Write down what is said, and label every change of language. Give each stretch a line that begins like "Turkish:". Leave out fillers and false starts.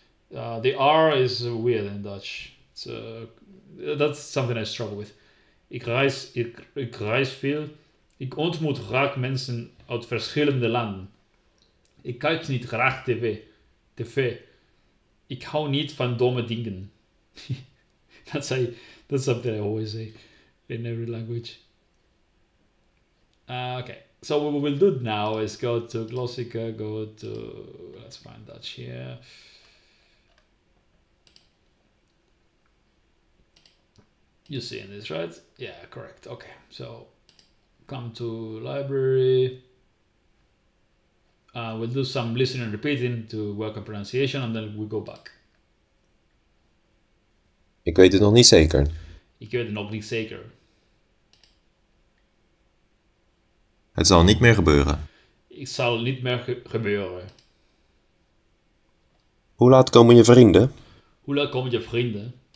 English: The R is weird in Dutch. So that's something I struggle with.
Dutch: Ik reis veel. Ik ontmoet graag mensen uit verschillende landen. Ik kijk niet graag TV. Ik hou niet van domme dingen.
English: That's something I always say in every language. Okay, so what we will do now is go to Glossika, go to. Let's find Dutch here. You're seeing this, right? Yeah, correct. Okay, so come to library. We'll do some listening and repeating to work on pronunciation, and then we go back.
Dutch: Ik weet het nog niet zeker. Ik weet het nog niet zeker. Het zal niet meer gebeuren. Ik zal niet meer gebeuren. Hoe laat komen je vrienden? Hoe laat komen je vrienden?